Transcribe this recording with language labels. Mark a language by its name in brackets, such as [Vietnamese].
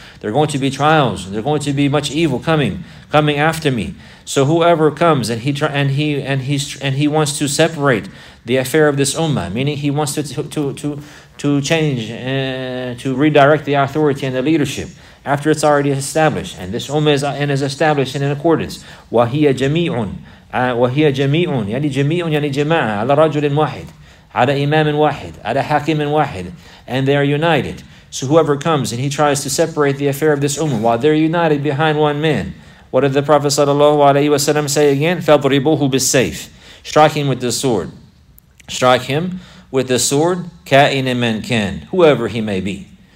[English] They're going to be trials. They're going to be much evil coming after me. So whoever comes and he wants to separate the affair of this ummah, meaning he wants to change, to redirect the authority and the leadership after it's already established, and this ummah is established and in accordance. [Arabic] وَهِيَ جَمِيعٌ وَهِيَ جَمِيعٌ يَعْنِي جَمِيعٌ يَعْنِي جَمَاعَ عَلَى رَجُلٍ وَاحِدٍ عَلَى إِمَامٍ وَاحِدٍ عَلَى حَكِيمٍ وَاحِدٍ, [English] and they are united. So whoever comes and he tries to separate the affair of this ummah while they're united behind one man, what did the Prophet sallallahu alayhi wa sallam say again? [Arabic] فَاضْرِبُوهُ بِالسَّيْفِ, [English] strike him with the sword. Strike him with the sword, [Arabic] كَائِنًا مَنْ كَانَ, [English] whoever he may be.